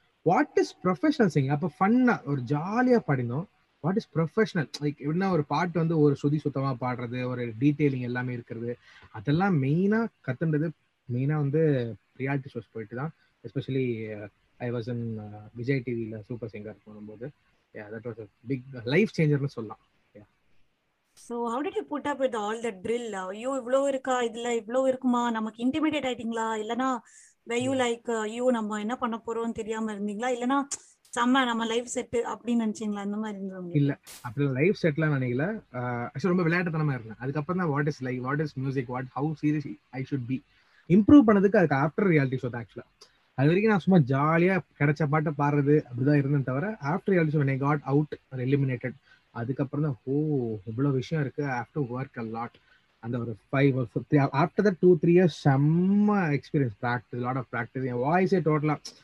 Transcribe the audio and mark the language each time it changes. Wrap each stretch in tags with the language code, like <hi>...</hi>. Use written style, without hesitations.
<en>what is professional singing</en> <ta>அப்போ ஃபன்னாக ஒரு ஜாலியாக படிந்தோம்</ta> <en>what is professional like</en> <ta>எப்படின்னா ஒரு பாட்டு வந்து ஒரு சுதி சுத்தமா பாடுறது ஒரு டீட்டெயிலிங் எல்லாமே இருக்கிறது அதெல்லாம் மெயினா கத்துன்றது மெயினா வந்து ரியாலிட்டி ஷோஸ் போயிட்டு தான்</ta> <en>especially I was in</en> <ta>Vijay டிவியில சூப்பர் சிங்கர் போகும்போது பிக் லைஃப் சேஞ்சர்னு சொல்லலாம்</ta> <en>So how did you put up with all the drill?</en> <ta>You இவ்ளோ இருக்கா இதுல இவ்ளோ இருக்குமா நமக்கு இன்டிமிடேட் ஆயிட்டீங்களா இல்லனா</ta> <en>were you like you</en> <ta>நம்ம என்ன பண்ண போறோம் தெரியாம இருந்தீங்களா இல்லனா சம்ம நம்ம லைஃப் செட் அப்படி நினைச்சீங்களா அந்த மாதிரி இருந்தீங்க இல்ல அப்படி லைஃப் செட்லாம் நினைக்கல அச்சு ரொம்ப விளையாட்டுத்தனமா இருந்தேன் அதுக்கு அப்புறம் தான்</ta> <en>what is like what is music what how serious I should be</en> <ta>improve பண்ணதுக்கு அதுக்கு ஆஃப்டர் ரியாலிட்டி ஷோ தான் ஆக்சுவலா அது வரைக்கும் நான் சும்மா ஜாலியா கிடைச்ச பாட்டு பாடுறது அப்படிதான் இருந்தேன் தவிர after reality show God out eliminated அதுக்கப்புறம் தான் ஓ இவ்வளவு விஷயம் இருக்கு</ta> <en>after work a lot</en> <ta>அந்த ஒரு ஃபைவ் ஒரு three after the two three years செம்ம experience practice lot of practice என் வாய்ஸே டோட்டலா</ta>